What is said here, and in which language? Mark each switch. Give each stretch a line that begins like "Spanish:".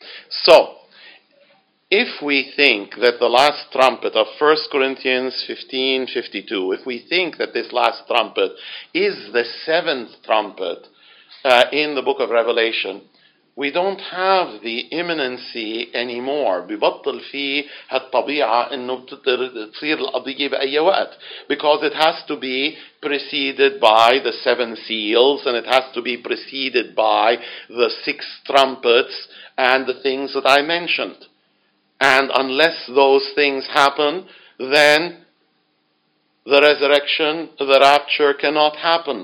English: So, if we think that the last trumpet of 1 Corinthians 15:52, if we think that this last trumpet is the seventh trumpet, in the book of Revelation, we don't have the imminency anymore.
Arabic: ببطل في هالطبيعة إنه بتقدر تصير القضية بأي وقت.
English: Because it has to be preceded by the seven seals, and it has to be preceded by the six trumpets and the things that I mentioned. And unless those things happen, then the resurrection, the rapture cannot happen.